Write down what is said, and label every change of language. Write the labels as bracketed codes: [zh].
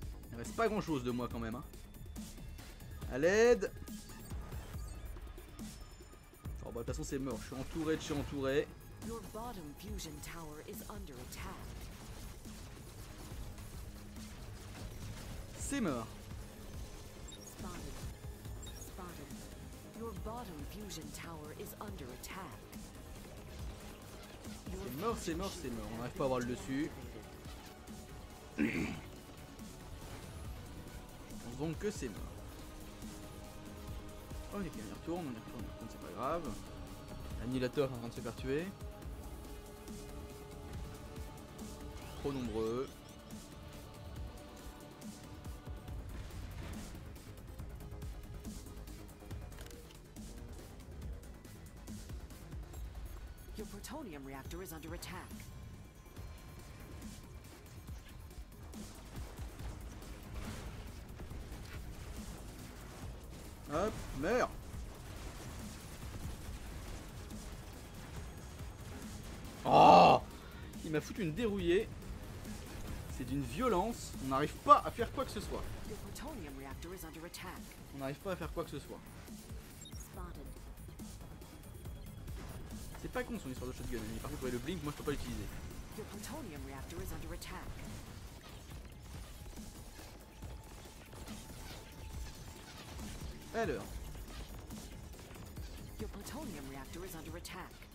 [fr] Il ne reste pas grand chose de moi quand même. Hein. À l'aide. Oh, bah, de toute façon, c'est mort. Je suis entouré de chez entouré. [en] Your bottom fusion tower is under attack. [fr] C'est mort. Spotted. [en] Spotted. Your bottom fusion tower is under attack. [fr] C'est mort, c'est mort, c'est mort. On n'arrive pas à avoir le dessus. Donc que c'est mort. Oh, on est bien, on y retourne, c'est pas grave. L'annihilateur est en train de se faire tuer. Trop nombreux. [en] Your plutonium reactor is under attack. [fr] Hop, meurs. Oh, il m'a foutu une dérouillée. C'est d'une violence. On n'arrive pas à faire quoi que ce soit. [en] Your plutonium reactor is under attack. [fr] On n'arrive pas à faire quoi que ce soit. Spotted. C'est pas con son histoire de shotgun, mais par contre le blink, moi je peux pas l'utiliser. [en] Your plutonium reactor is under attack. [fr] Alors. [en] Your plutonium reactor is under attack.